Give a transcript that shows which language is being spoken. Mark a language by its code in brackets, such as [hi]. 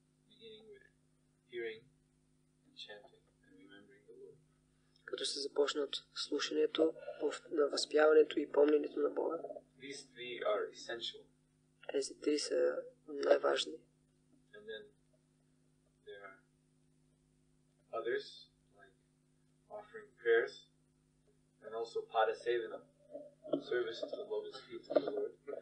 [en] Beginning with hearing and chanting and remembering the Lord. [bg] Като се започне от слушането, на възпяването и помненето на Бога. [en] These 3 are essential. [bg] Тези 3 са най-важни. [en] And then there are others, like offering prayers, and also padasevana, service to the lotus feet of the Lord.